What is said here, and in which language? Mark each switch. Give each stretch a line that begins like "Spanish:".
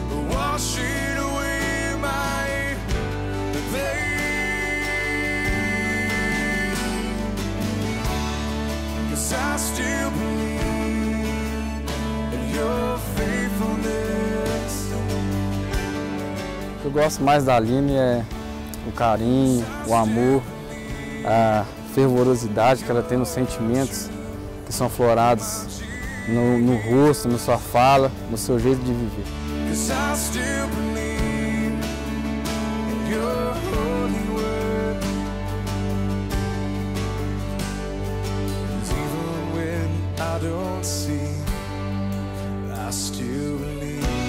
English: Washing away my pain. 'Cause I still believe in your faithfulness.
Portuguese: O que eu gosto mais da Aline é o carinho, o amor, a fervorosidade que ela tem nos sentimentos que são aflorados no rosto, na sua fala, no seu jeito de viver.
English: 'Cause I still believe in your holy word. 'Cause even when I don't see, I still believe.